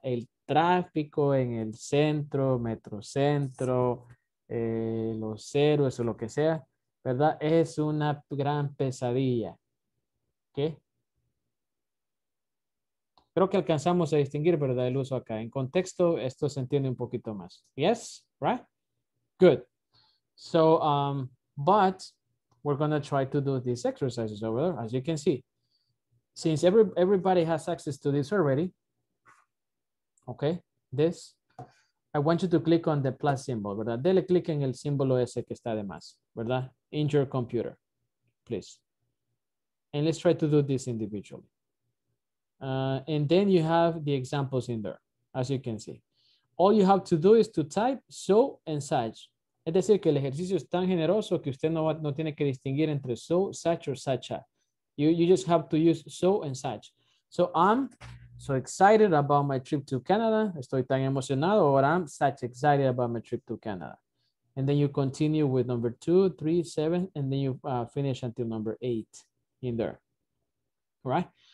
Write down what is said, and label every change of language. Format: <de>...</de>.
<es>El tráfico en el centro, metrocentro, los héroes o lo que sea, ¿verdad? Es una gran pesadilla. ¿Qué? Creo que alcanzamos a distinguir, ¿verdad? El uso acá. En contexto, esto se entiende un poquito más.</es> <en>Yes, right? Good. So, but we're going to try to do these exercises over there, as you can see. Since everybody has access to this already, okay, this, I want you to click on the plus symbol, ¿verdad?</en> <es>Dele click en el símbolo ese que está de más, ¿verdad?</es> <en>In your computer, please. And let's try to do this individually. And then you have the examples in there, as you can see. All you have to do is to type so and such.</en> <es>Es decir, que el ejercicio es tan generoso que usted no tiene que distinguir entre so, such, or such a.</es> <en>You just have to use so and such. So I'm so excited about my trip to Canada.</en> <es>Estoy tan emocionado.</es> <en>Or I'm such excited about my trip to Canada. And then you continue with number 2, 3, 7. And then you finish until number 8 in there. All right.</en>